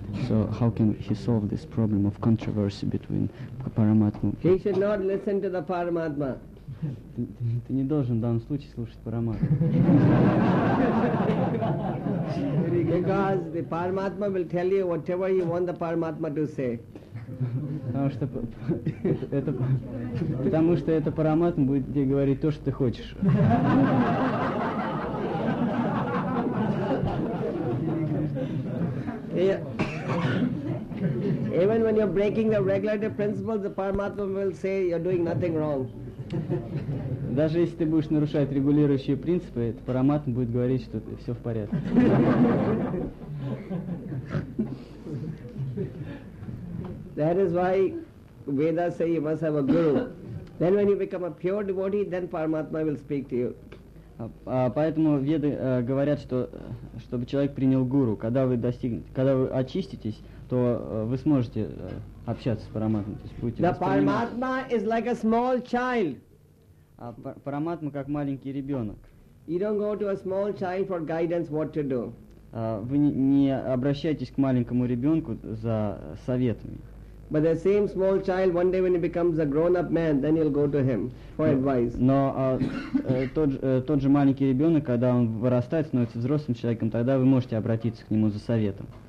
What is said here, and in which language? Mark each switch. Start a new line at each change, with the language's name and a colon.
English: So how can he solve this problem of controversy between Paramatma? He should not listen to the Paramatma.
Russian: Ты не должен в данном случае слушать Парамат.
English: Because the Paramatma will tell you whatever you want the Paramatma to say.
Russian: Потому что это Параматма будет тебе говорить то, что ты хочешь.
English: Even when you're breaking the regulative principles, the Paramatma will say you're doing nothing wrong.
Russian: Даже если ты будешь нарушать регулирующие принципы, параматма будет говорить, что все в порядке.
English: That is why Vedas say you must have a guru. Then when you become a pure devotee, then Paramatma will speak to you.
Russian: Поэтому веды говорят, что чтобы человек принял гуру, когда вы очиститесь, то вы сможете общаться с Параматмой, то есть будете воспринимать.
English: The Paramatma is like a small child.
Russian: Параматма как маленький ребенок.
English: You don't go to a small child for guidance what to do.
Russian: Вы не обращайтесь к маленькому ребенку за советами.
English: But the same small child, one day when he becomes a grown-up man, then he'll go to him for advice.
Russian: Но тот же маленький ребенок, когда он вырастает, становится взрослым человеком, тогда вы можете обратиться к нему за советом.